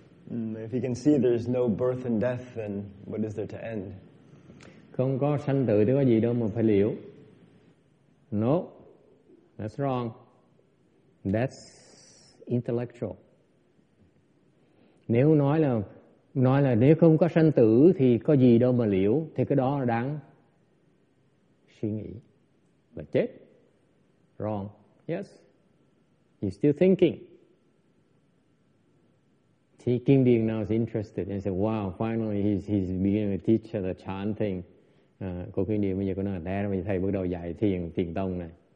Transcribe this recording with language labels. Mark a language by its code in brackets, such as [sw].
[en] If you can see there's no birth and death, then what is there to end? [vi] Không có sanh tử thì có gì đâu mà phải liễu. [en] No. That's wrong. That's intellectual. [vi] Nếu nói là nói là nếu không có sanh tử thì có gì đâu mà liệu, thì cái đó là đáng suy nghĩ và chết. [en] Wrong. Yes. You're still thinking. See, King Dien now is interested and said, wow, finally he's beginning to teach the chanting. [vi] Cô King Dien bây giờ có nói là đáng, thầy bắt đầu dạy thiền, thiền tông này.